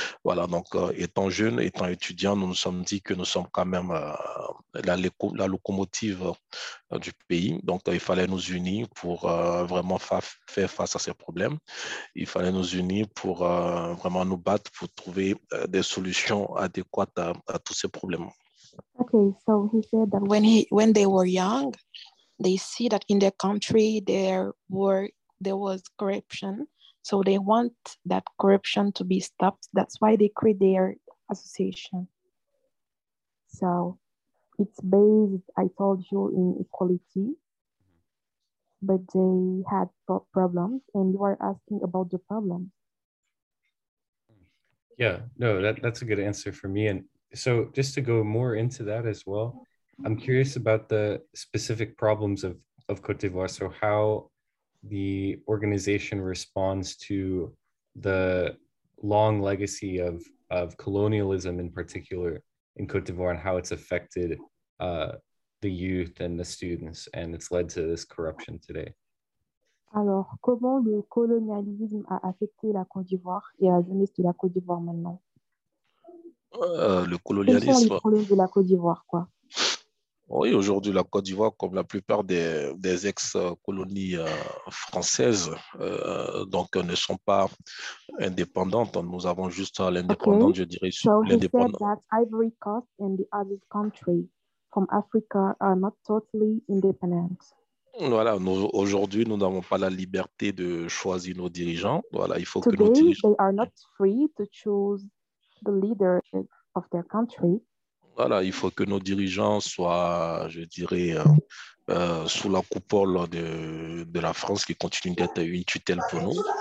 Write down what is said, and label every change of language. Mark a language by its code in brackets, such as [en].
[fr] Voilà, donc étant jeune, étant étudiant, nous nous sommes dit que nous sommes quand même la locomotive du pays. Donc il fallait nous unir pour vraiment faire face à ces problèmes. Il fallait nous unir pour vraiment nous battre pour trouver des solutions adéquates à tous ces problèmes. [en] Okay, so he said that when they were young, they see that in their country there was corruption, so they want that corruption to be stopped. That's why they create their association. So it's based, I told you, in equality, but they had problems, and you are asking about the problems. Yeah, no, that's a good answer for me. And so just to go more into that as well, I'm curious about the specific problems of Côte d'Ivoire. So how the organization responds to the long legacy of colonialism in particular in Côte d'Ivoire, and how it's affected the youth and the students, and it's led to this corruption today. [fr] Alors, comment le colonialisme a affecté la Côte d'Ivoire et la jeunesse de la Côte d'Ivoire maintenant? Le colonialisme. Quels sont les problèmes de la Côte d'Ivoire, quoi? Oui, aujourd'hui, la Côte d'Ivoire, comme la plupart des ex-colonies françaises, donc ne sont pas indépendantes. Nous avons juste l'indépendance, [en] okay. [fr] Je dirais, so l'indépendance. [en] So he said that Ivory Coast and the other countries from Africa are not totally independent. [fr] Voilà, aujourd'hui, nous n'avons pas la liberté de choisir nos dirigeants. Voilà, il faut [en] today, [fr] que nos dirigeants... [en] they are not free to choose the leader of their country. [fr] Voilà, il faut que nos dirigeants soient, je dirais, sous la coupole de la France, qui continue d'être une tutelle pour nous.